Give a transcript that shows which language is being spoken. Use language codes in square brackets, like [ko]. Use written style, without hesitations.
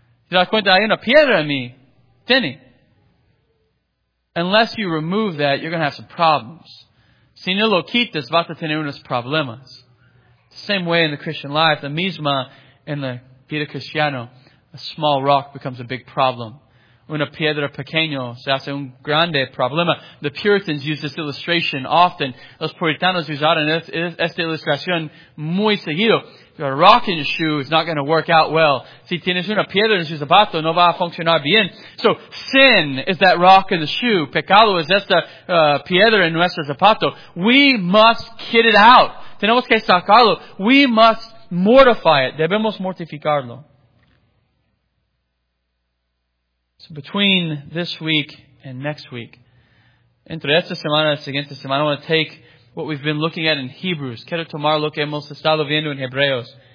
[es] Te das cuenta, hay una piedra en mi tenis. [en] Unless you remove that, you're going to have some problems. [es] Si no lo quitas, vas a tener unos problemas. [en] Same way in the Christian life, [es] the misma in the Peter Cristiano, [en] a small rock becomes a big problem. [es] Una piedra pequeño se hace un grande problema. [en] The Puritans use this illustration often. [es] Los puritanos usaron esta ilustración muy seguido. [en] If you have a rock in your shoe, it's not going to work out well. [es] Si tienes una piedra en tu zapato, no va a funcionar bien. [en] So, sin is that rock in the shoe. [es] Pecado es esta piedra en nuestro zapato. [en] We must get it out. [es] Tenemos que sacarlo. [en] We must mortify it. [es] Debemos mortificarlo. [en] So between this week and next week, [es] entre esta semana y la siguiente semana, [en] I want to take what we've been looking at in Hebrews. [es] Quiero tomar lo que hemos estado viendo en Hebreos.